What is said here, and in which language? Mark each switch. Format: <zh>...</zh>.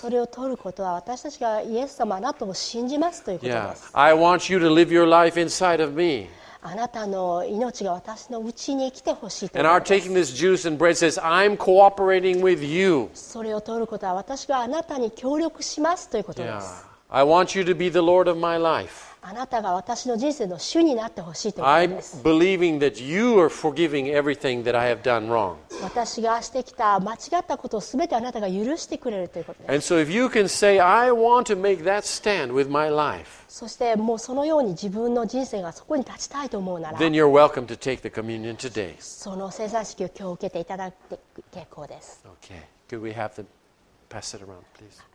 <ja>それを取ることは私たちがイエス様あなたを信じますということです。</ja> <en>Yeah. I want you to live your life inside of me.</en> <ja>あなたの命が私のうちに生きてほしいと。</ja> <en>And our taking this juice and bread says, I'm cooperating with you.</en> <ja>それを取ることは私があなたに協力しますということです。</ja> <en>Yeah. I want you to be the Lord of my life.</en> <ja>あなたが私の人生の主になってほしいということです。</ja> <en>I'm believing that you are forgiving everything that I have done wrong.</en> <ja>私がしてきた間違ったことをすべてあなたが許してくれるということです。</ja> <en>And so if you can say, I want to make that stand with my life.</en> <ja>そしてもうそのように自分の人生がそこに立ちたいと思うなら</ja> <en>Then you're welcome to take the communion today.</en> <ja>その聖餐式を今日受けていただいて結構です。</ja> <en>Okay. Could we have them pass it around, please?</en>